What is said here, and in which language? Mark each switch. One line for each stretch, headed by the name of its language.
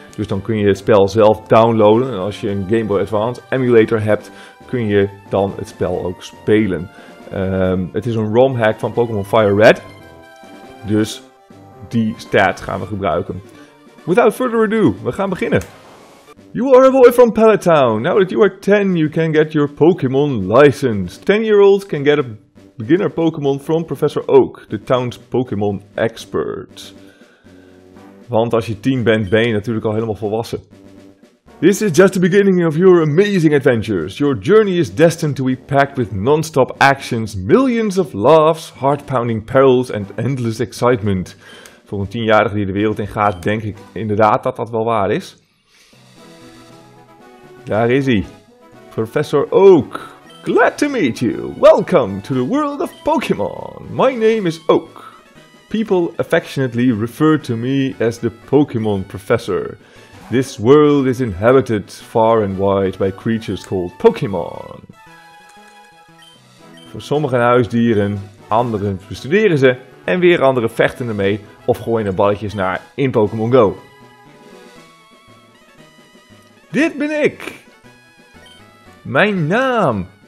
Dutch: Dus dan kun je het spel zelf downloaden. En als je een Game Boy Advance emulator hebt, kun je dan het spel ook spelen. Het is een ROM-hack van Pokémon FireRed. Dus die stats gaan we gebruiken.
English: Without further ado,
Dutch: we gaan beginnen.
English: You are a boy from Pallet Town. Now that you are 10, you can get your Pokémon license. 10-year-olds can get a beginner Pokémon from Professor Oak, the town's Pokémon expert.
Dutch: Want als je 10 bent, ben je natuurlijk al helemaal volwassen.
English: This is just the beginning of your amazing adventures. Your journey is destined to be packed with non-stop actions, millions of laughs, heart-pounding perils and endless excitement.
Dutch: Voor een 10-jarige die de wereld in gaat, denk ik inderdaad dat dat wel waar is. Daar is hij.
English: Professor Oak. Glad to meet you. Welcome to the world of Pokémon. My name is Oak. People affectionately refer to me as the Pokémon Professor. This world is inhabited far and wide by creatures called Pokémon.
Dutch: Voor sommige huisdieren, anderen bestuderen ze en weer anderen vechten ermee of gooien er balletjes naar in Pokémon Go. Dit ben ik! Mijn naam!